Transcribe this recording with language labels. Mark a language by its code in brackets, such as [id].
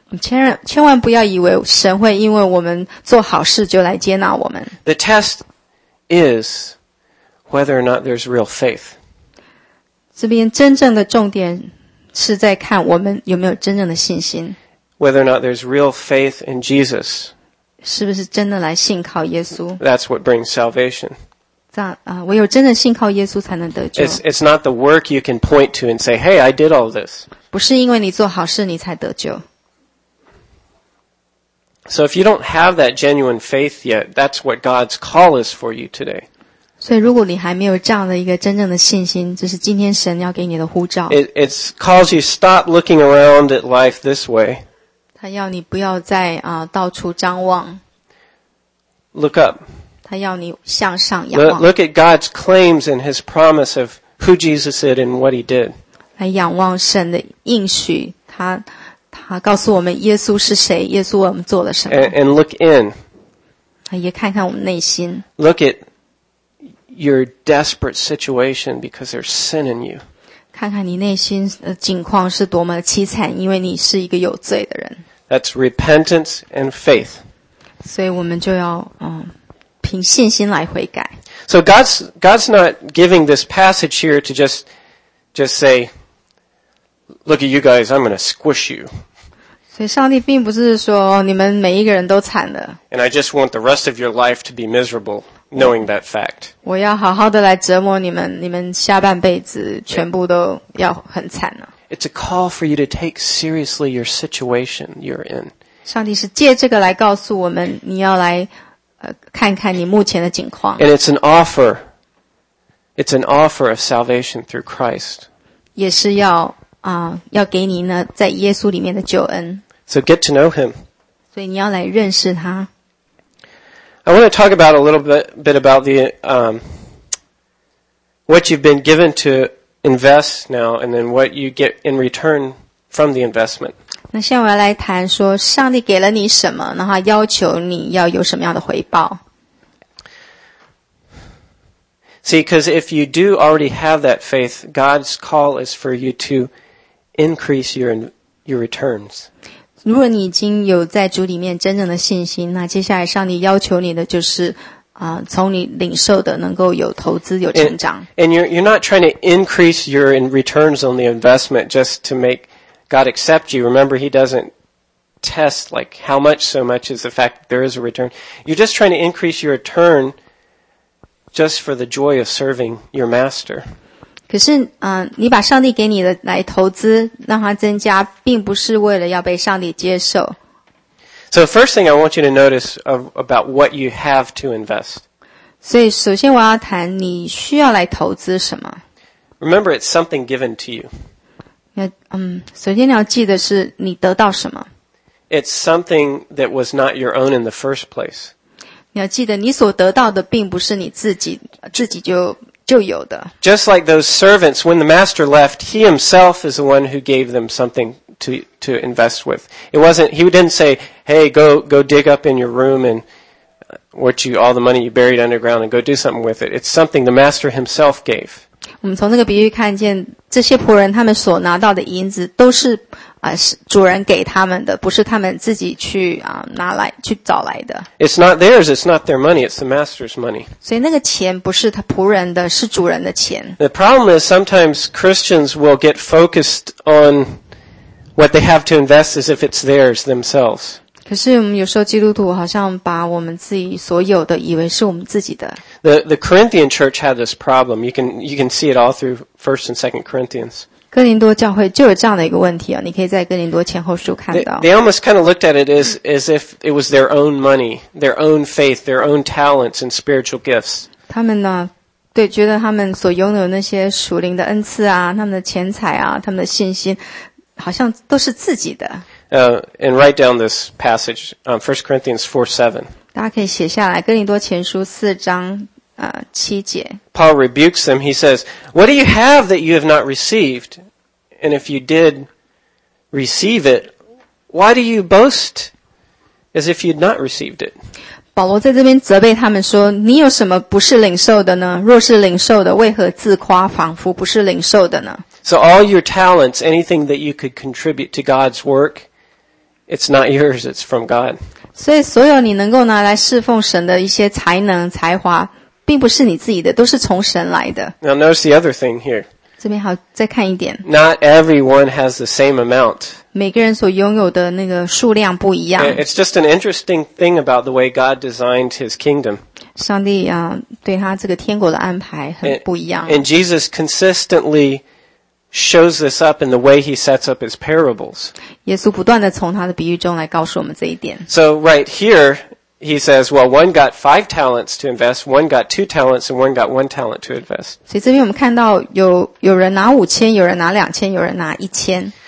[zh] 千万不要以为神会因为我们做好事就来接纳我们。 [en] The test is whether or not there's real faith. [zh] 这边真正的重点是在看我们有没有真正的信心。 [en] Whether or not there's real faith in Jesus. [zh] 是不是真的来信靠耶稣 [en] That's what brings salvation. [zh] 唯有真的信靠耶稣才能得救。 [en] It's not the work you can point to and say, hey, I did all this. [zh] 不是因为你做好事你才得救。 [en] So if you don't have that genuine faith yet, that's what God's call is for you today. [zh] 所以如果你还没有这样的一个真正的信心这是今天神要给你的呼召。 [en] It calls you stop looking around at life this way. [zh] 他要你不要再到处张望。 [en] Look up. [zh] 他要你向上仰望。 [en] Look at God's claims and His promise of who Jesus is and what He did. [zh] 来仰望神的应许，他告诉我们耶稣是谁，耶稣为我们做了什么。 [en] And look in. [zh] 也看看我们内心。 [en] Look at your desperate situation because there's sin in you. [zh] 看看你内心的境况是多么凄惨，因为你是一个有罪的人。 [en] That's repentance and faith. [zh] 所以我们就要凭信心来悔改。 [en] So God's not giving this passage here to just say, "Look at you guys, I'm going to squish you." [zh] 所以上帝并不是说你们每一个人都惨了。 [en] And I just want the rest of your life to be miserable. Knowing that fact. [zh] 我要好好的来折磨你们，你们下半辈子全部都要很惨了。 [en] It's a call for you to take seriously your situation you're in. [zh] 上帝是借这个来告诉我们，你要来看看你目前的境况。 [en] And it's an offer. It's an offer of salvation through Christ. [zh] 也是要给你呢，在耶稣里面的救恩。 [en] So get to know Him. [zh] 所以你要来认识他。 [en] I want to talk about a little bit about the, what you've been given to invest now and then what you get in return from the investment. [zh] 那现在我要来谈说上帝给了你什么然后要求你要有什么样的回报。 [en] See, because if you do already have that faith, God's call is for you to increase your returns. [zh] 如果你已经有在主里面真正的信心，那接下来上帝要求你的就是，从你领受的能够有投资有成长。 [en] And you're not trying to increase your returns on the investment just to make God accept you. Remember, He doesn't test like how much so much is the fact that there is a return. You're just trying to increase your return just for the joy of serving your master. [zh] 可是你把上帝给你的来投资让它增加并不是为了要被上帝接受。 [en] So the first thing I want you to notice about what you have to invest. [zh] 所以首先我要谈你需要来投资什么。 [en] Remember it's something given to you. [zh] 首先你要记得是你得到什么。 [en] It's something that was not your own in the first place. [zh] 你要记得你所得到的并不是你自己就有的。 [en] Just like those servants, when the master left, he himself is the one who gave them something to invest with. It wasn't, he didn't say, hey, go dig up in your room and all the money you buried underground and go do something with it. It's something the master himself gave. [zh] 我们从那个比喻看见，这些仆人他们所拿到的银子都是主人给他们的，不是他们自己去拿来去找来的。 [en] It's not theirs. It's not their money. It's the master's money. [zh] 所以那个钱不是他仆人的，是主人的钱。 [en] The problem is sometimes Christians will get focused on what they have to invest as if it's theirs themselves. [zh] 可是我们有时候基督徒好像把我们自己所有的以为是我们自己的。 [en] The Corinthian church had this problem. You can see it all through 1st and 2nd Corinthians. [zh] 哥林多教会就有这样的一个问题啊，你可以在哥林多前后书看到。 [en] They almost kind of looked at it as if it was their own money, their own faith, their own talents and spiritual gifts. [zh] 他们呢，对，觉得他们所拥有那些属灵的恩赐啊，他们的钱财啊，他们的信心，好像都是自己的。 [en] And write down this passage, 1 Corinthians 4:7. [zh] 大家可以写下来哥林多前书四章七节。 [en] Paul rebukes them. He says, what do you have that you have not received? And if you did receive it, why do you boast as if you'd not received it? [zh] 保罗在这边责备他们说，你有什么不是领受的呢？若是领受的，为何自夸仿佛不是领受的呢？ [en] So all your talents, anything that you could contribute to God's work, it's not yours, it's from God. [zh] 所以所有你能够拿来侍奉神的一些才能、才华，并不是你自己的，都是从神来的。 [en] Now notice the other thing here. [zh] 这边好，再看一点。 [en] Not everyone has the same amount. [zh] 每个人所拥有的那个数量不一样。 [en] It's just an interesting thing about the way God designed his kingdom. [zh] 上帝啊，对他这个天国的安排很不一样。 [en] And Jesus consistently shows this up in the way he sets up his parables. [zh] 耶稣不断地从他的比喻中来告诉我们这一点。 [en] So right here,He says, well, one got five talents to invest, one got two talents, and one got one talent to invest. [zh] 所以这边我们看到有人拿五千，有人拿两千，有人拿一千。